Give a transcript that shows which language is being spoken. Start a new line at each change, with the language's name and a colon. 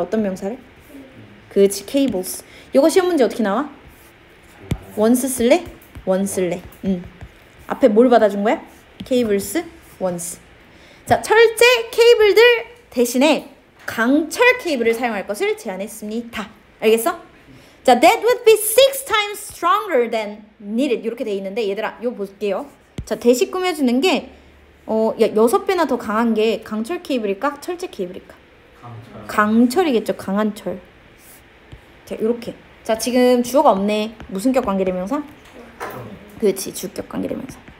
Korean: 어떤 명사를? 그치, cables. 이거 시험 문제 어떻게 나와? 원스 쓸래? 원 쓸래. 앞에 뭘 받아준 거야? 케이블스, 원스. 자, 철제 케이블들 대신에 강철 케이블을 사용할 것을 제안했습니다. 알겠어?
English: 자, that would be 6 times stronger than needed.
Korean: 이렇게 돼 있는데 얘들아, 이거 볼게요. 자, 대시 꾸며 주는 게 6배나 더 강한 게 강철 케이블일까? 철제 케이블일까? 강철이겠죠. 강한 철. 자, 이렇게. 자, 지금 주어가 없네. 무슨격 관계대명사? 그렇지. 주격 관계대명사.